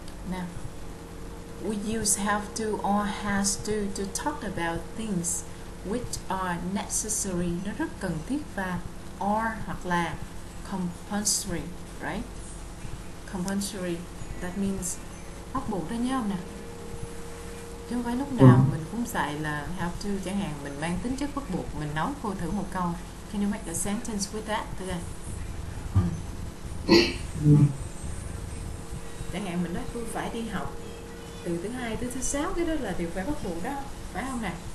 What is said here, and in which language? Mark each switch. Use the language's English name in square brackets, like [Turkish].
[English] Nè, we use have to or has to talk about things which are necessary, nó rất cần thiết, và or hoặc là compulsory, right? [Vietnamese] Compulsory, that means bắt buộc đó, nhớ không nè? Chứ không phải lúc nào mình cũng xài là have to, chẳng hạn mình mang tính chất bắt buộc, mình nói cô thử một câu. [English] Can you make a sentence with that today? [Vietnamese] Chẳng hạn mình nói tôi phải đi học từ thứ hai tới thứ sáu, cái đó là điều phải bắt buộc đó, phải không nè?